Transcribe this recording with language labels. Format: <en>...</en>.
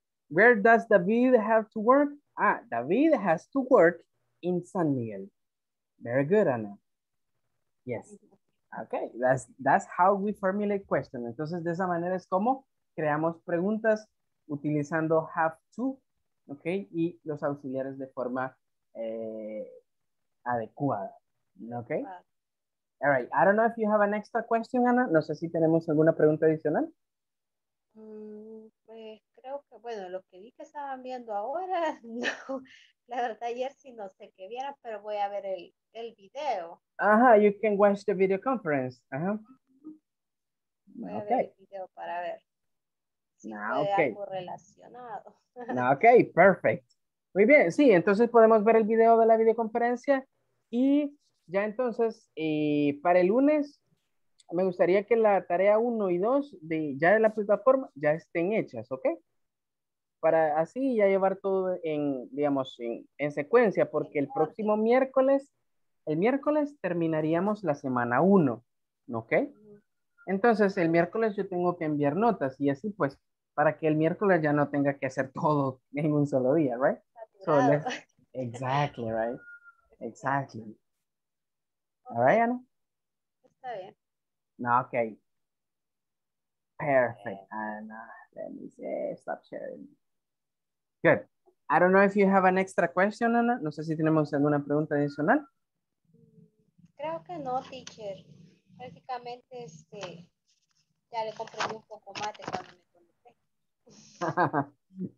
<en>Where does David have to work? Ah, David has to work in San Miguel. Very good, Ana. Yes. Okay, that's how we formulate questions.</en> <es>Entonces, de esa manera es como creamos preguntas utilizando have to, okay, y los auxiliares de forma adecuada, okay?</es> <en>All right, I don't know if you have an extra question, Ana.</en> <es>No sé si tenemos alguna pregunta adicional. Pues creo que, bueno, lo que vi que estaban viendo ahora, no, la verdad ayer sí no sé qué vieron, pero voy a ver el video.</es> <en>Ajá, you can watch the video conference. Ajá.</en> <es>Voy a ver el video para ver.</es> <en>Relacionado. Ok, perfect.</en> <es>Muy bien, sí, entonces podemos ver el video de la videoconferencia y ya entonces para el lunes me gustaría que la tarea 1 y 2 de, ya de la plataforma ya estén hechas, ¿ok? Para así ya llevar todo en, digamos, en secuencia, porque el próximo miércoles, el miércoles terminaríamos la semana 1, ¿ok? Entonces el miércoles yo tengo que enviar notas y así pues, para que el miércoles ya no tenga que hacer todo en un solo día, ¿right?</es> <en>So, exactly, right? Exactly. Alright, Ana?</en> <es>Está bien.</es> <en>No, okay. Perfect, Ana. Let me see. Stop sharing. Good. I don't know if you have an extra question, Ana.</en> <es>No sé si tenemos alguna pregunta adicional. Creo que no, teacher. Prácticamente, este, ya le comprendí un poco más de cuando me conecté.</es>